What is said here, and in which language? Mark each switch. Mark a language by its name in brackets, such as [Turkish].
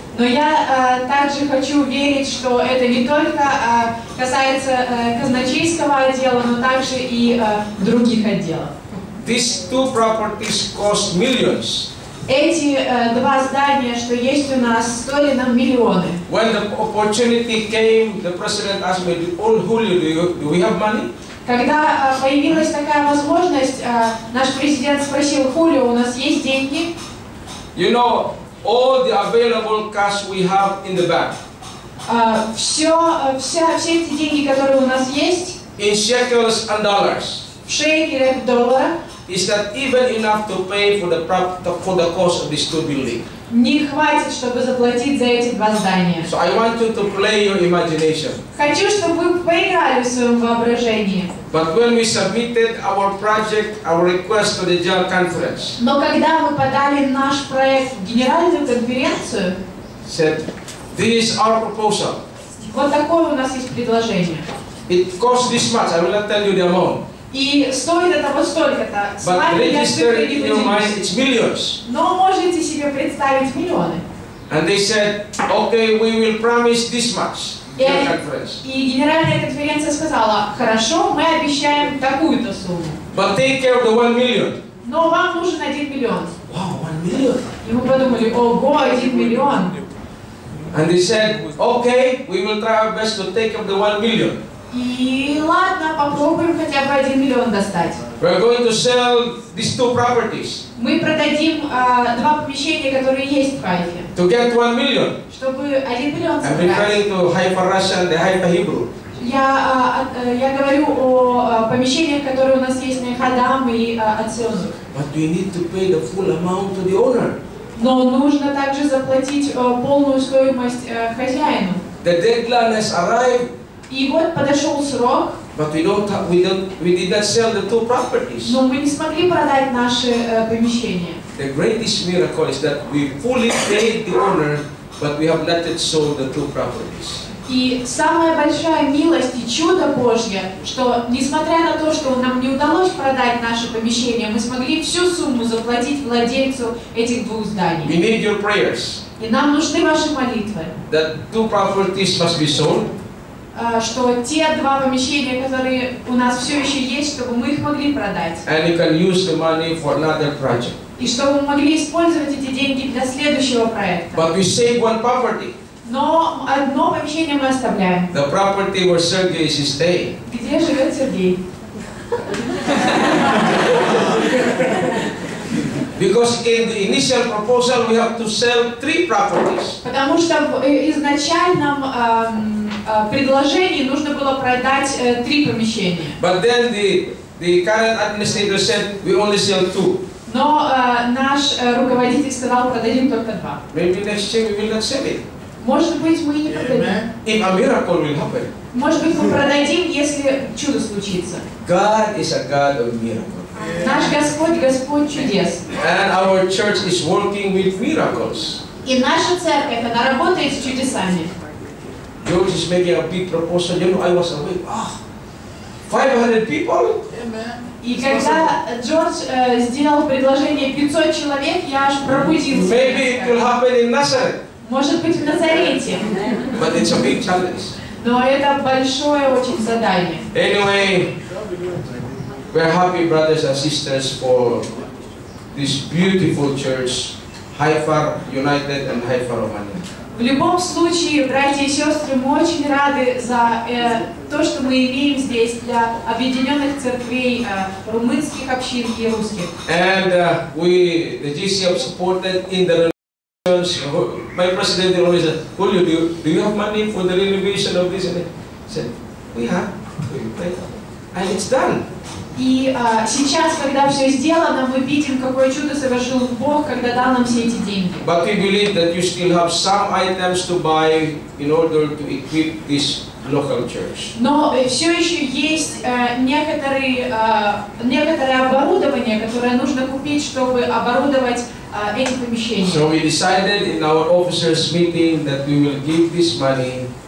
[Russian] Но я также хочу верить, что это не только касается казначейского отдела, но также и других отделов. [English] These two properties cost millions. [Russian] Эти два здания, что есть у нас, стоили нам миллионы. [English] When the opportunity came, the president asked me, "Oh, Julio, do we have money?" [Russian] Когда появилась такая возможность, наш президент спросил: "Хулио, у нас есть деньги?" [English] You know, all the available cash we have in the bank. [Russian] Все эти деньги, которые у нас есть. [English] In shekels and dollars. [Russian] В шекелях, долларах. [English] Is that even enough to pay for the cost of these two buildings? [Russian] Не хватит, чтобы заплатить за эти два здания. [English] So I want you to play your imagination. [Russian] Хочу, чтобы вы поиграли в своем воображении. [English] But when we submitted our project, our request to the General Conference. [Russian] Но когда мы подали наш проект в генеральную конференцию. [English] Said, this is our proposal. [Russian] Вот такое у нас есть предложение. [English] It costs this much. I will not tell you the amount. [Russian] И стоит это вот столько-то. [English] But register in your mind, it's millions. [Russian] Но можете себе представить миллионы. [English] And they said, okay, we will promise this much. [Russian] И генеральная конференция сказала: хорошо, мы обещаем такую-то сумму. [English] But take care of the 1 million. [Russian] Но вам нужен 1 миллион. [English] Wow, 1 million. [Russian] И мы подумали: ого, 1 миллион. [English] And they said, okay, we will try our best to take care of the 1 million. [Russian] И ладно, попробуем хотя бы 1 миллион достать. [English] We're going to sell these two properties. [Russian] Мы продадим два помещения, которые есть в Хайфе. [English] To get 1 million. [Russian] Чтобы 1 миллион собрать. [English] I'm referring to Haifa Russia and the Haifa Hebrew. [Russian] Я говорю о помещениях, которые у нас есть на Хадам и Ацион. [English] But you need to pay the full amount to the owner. [Russian] Но нужно также заплатить полную стоимость хозяину. [English] The deadline has arrived. [Russian] И вот подошел срок. [English] But we did not sell the two properties. [Russian] Но мы не смогли продать наши помещения. [English] The greatest miracle is that we fully paid the owner, but we have not yet sold the two properties. [Russian] И самая большая милость и чудо Божье, что несмотря на то, что нам не удалось продать наши помещения, мы смогли всю сумму заплатить владельцу этих двух зданий. [English] We need your prayers. [Russian] И нам нужны ваши молитвы. [English] That two properties must be sold. [Russian] Что те два помещения, которые у нас все еще есть, чтобы мы их могли продать. [English] And you can use the money for another project. [Russian] И чтобы мы могли использовать эти деньги для следующего проекта. [English] But we save one property. [Russian] Но одно помещение мы оставляем. [English] The property where Sergei is staying. [Russian] Где живет Сергей? [English] Because in the initial proposal we have to sell 3 properties. [Russian] Потому что в изначальном предложении нужно было продать 3 помещения. [English] But then the current administrator said we only sell 2. [Russian] Но наш руководитель сказал, продадим только 2. [English] Maybe next year we will not sell it. [Russian] Может быть, мы не продадим. [English] If a miracle will happen. [Russian] Может быть, мы продадим, если чудо случится. [English] God is a God of miracles. [Russian] Наш Господь — Господь чудес. [English] And our church is working with miracles. [Russian] И наша церковь, она работает с чудесами. [English] George is making a big proposal. You know, I was away. 500 people? Amen. И it's когда awesome. [Russian] Джордж сделал предложение 500 человек, я аж пробудился. [English] Maybe it will happen in Nazareth. [Russian] Может быть, в Назарете. [English] But it's a big challenge. [Russian] Но это большое очень задание. [English] Anyway. We are happy, brothers and sisters, for this beautiful church, Haifa United and Haifa Romania. [Russian] В любом случае, братья и сестры, мы очень рады за то, что мы имеем здесь для объединенных церквей румынских общин и русских. [English] And the GC have supported in the renovations. My president always said, "Julio, do you have money for the renovation of this?" And I said, "We have. We have." And it's done. [Russian] И сейчас, когда все сделано, мы видим, какое чудо совершил Бог, когда дал нам все эти деньги. [English] But we believe that you still have some items to buy in order to equip this local church. [Russian] Но все еще есть некоторое оборудование, которое нужно купить, чтобы оборудовать эти помещения. [English] So we decided in our officers meeting that we will give this money.